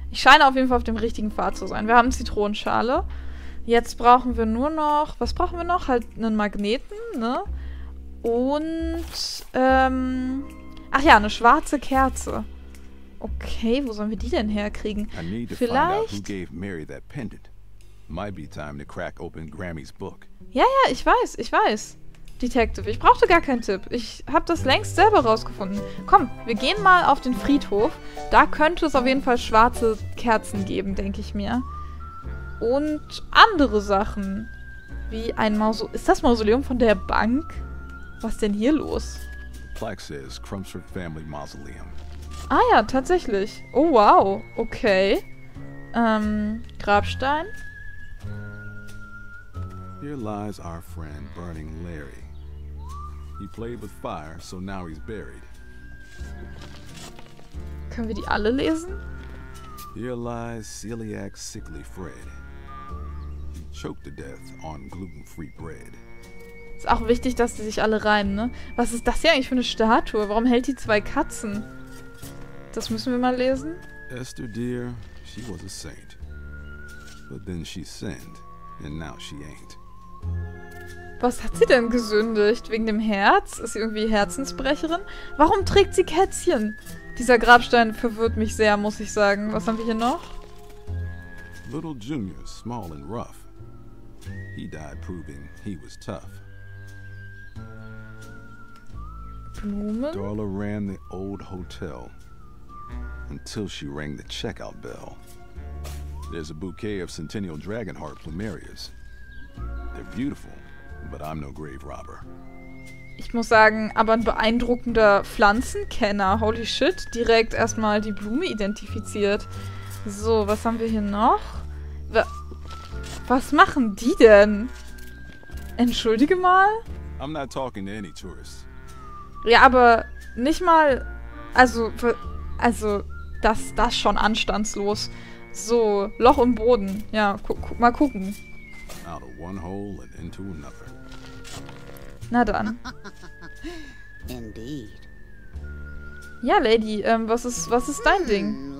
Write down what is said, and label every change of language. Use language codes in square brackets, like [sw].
[de] Ich scheine auf jeden Fall auf dem richtigen Pfad zu sein. Wir haben Zitronenschale. Jetzt brauchen wir nur noch... Was brauchen wir noch? Halt einen Magneten, ne? Und, ach ja, eine schwarze Kerze. Okay, wo sollen wir die denn herkriegen? [en] I need to [de] vielleicht... [en] find out who gave Mary that pendant. Might be time to crack open Grammy's book. [de] Ja, ja, ich weiß. Detective, ich brauchte gar keinen Tipp. Ich habe das längst selber rausgefunden. Komm, wir gehen mal auf den Friedhof. Da könnte es auf jeden Fall schwarze Kerzen geben, denke ich mir. Und andere Sachen. Wie ein Mausoleum. Ist das Mausoleum von der Bank? Was denn hier los? [en] The plaque says Crumpsford Family Mausoleum. [de] Ah ja, tatsächlich. Oh wow, okay. Grabstein. [en] Here lies our friend Burning Larry. He played with fire, so now he's buried. [de] Können wir die alle lesen? [en] Here lies celiac sickly Fred. He choked to death on gluten-free bread. [de] Ist auch wichtig, dass die sich alle reimen, ne? Was ist das hier eigentlich für eine Statue? Warum hält die zwei Katzen? Das müssen wir mal lesen. [en] Esther dear, she was a saint. But then she sinned, and now she ain't. [de] Was hat sie denn gesündigt? Wegen dem Herz? Ist sie irgendwie Herzensbrecherin? Warum trägt sie Kätzchen? Dieser Grabstein verwirrt mich sehr, muss ich sagen. Was haben wir hier noch? [en] Little Junior, small and rough. He died proving he was tough. [de] Blumen? [en] Darla ran the old hotel. Until she rang the checkout bell. There's a bouquet of Centennial Dragonheart Plumerias. They're beautiful, but I'm no grave robber. [de] Ich muss sagen, aber ein beeindruckender Pflanzenkenner. [en] Holy shit, [de] direkt erstmal die Blume identifiziert. So, was haben wir hier noch? Was machen die denn? Entschuldige mal. [en] I'm not talking to any tourists. [de] Ja, aber nicht mal... Also, das schon anstandslos. So, Loch im Boden. Ja, mal gucken. [en] Out of one hole and into another. [de] Na dann. [en] Indeed. [de] Ja, Lady, was ist dein Ding?